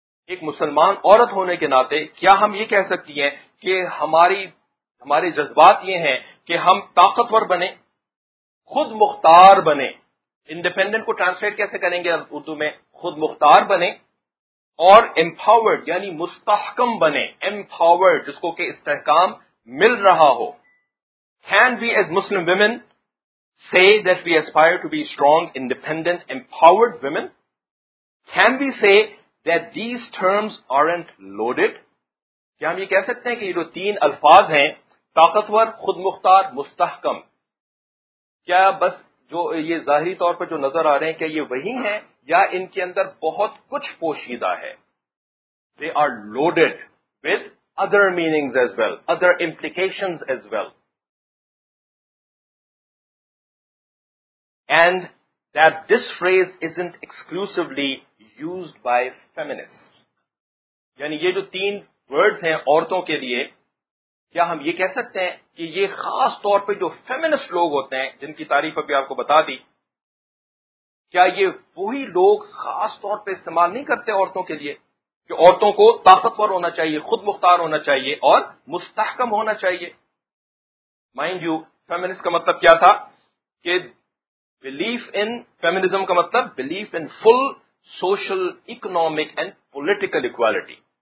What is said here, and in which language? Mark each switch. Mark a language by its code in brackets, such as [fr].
[ur] ایک مسلمان عورت ہونے کے ناطے کیا ہم یہ کہہ سکتی ہیں کہ ہمارے جذبات یہ ہیں کہ ہم طاقتور بنے، خود مختار بنے. انڈیپینڈنٹ کو ٹرانسلیٹ کیسے کریں گے اردو میں؟ خود مختار بنے اور امپاورڈ یعنی مستحکم بنے. امپاورڈ جس کو کہ استحکام مل رہا ہو. [en] Can we as Muslim women say that we aspire to be strong, independent, empowered women? Can we say that these terms aren't loaded? [ur] کیا ہم یہ کہہ سکتے ہیں کہ یہ جو تین الفاظ ہیں، طاقتور، خود مختار، مستحکم، کیا بس جو یہ ظاہری طور پر جو نظر آ رہے ہیں کیا یہ وہی ہیں یا ان کے اندر بہت کچھ پوشیدہ ہے؟ [en] They are loaded with other meanings as well, other implications as well. And that this phrase isn't exclusively used by feminists. [ur] یعنی یہ جو تین words ہیں عورتوں کے لیے، کیا ہم یہ کہہ سکتے ہیں کہ یہ خاص طور پہ جو feminist لوگ ہوتے ہیں، جن کی تعریف ابھی آپ کو بتا دی، کیا یہ وہی لوگ خاص طور پہ استعمال نہیں کرتے عورتوں کے لیے کہ عورتوں کو طاقتور ہونا چاہیے، خود مختار ہونا چاہیے اور مستحکم ہونا چاہیے؟ Mind you, feminist کا مطلب کیا تھا کہ [en] Belief in feminism کا مطلب belief in full social, economic and political equality.